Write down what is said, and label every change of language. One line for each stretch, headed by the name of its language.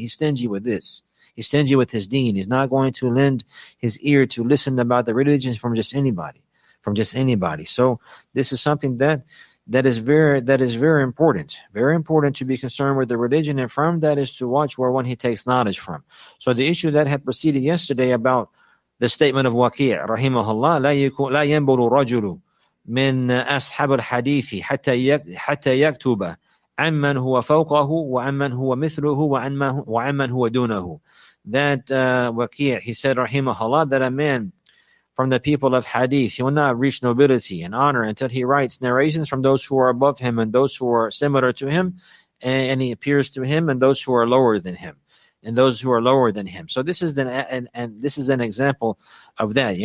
English: He's stingy with this. He's stingy with his deen. He's not going to lend his ear to listen about the religion from just anybody. So this is something that That is very important. Very important to be concerned with the religion, and from that is to watch where one he takes knowledge from. So the issue that had proceeded yesterday about the statement of Waqi' rahimahullah,
Arabic: لا ينبل رجل من أصحاب الحديث حتى يكتب عن من هو فوقه وعن من هو مثله وعن من هو دونه.
English: That Waqi' he said rahimahullah, that a man from the people of hadith, he will not reach nobility and honor until he writes narrations from those who are above him and those who are similar to him, and he appears to him, and those who are lower than him, and those who are lower than him. So this is an example of that.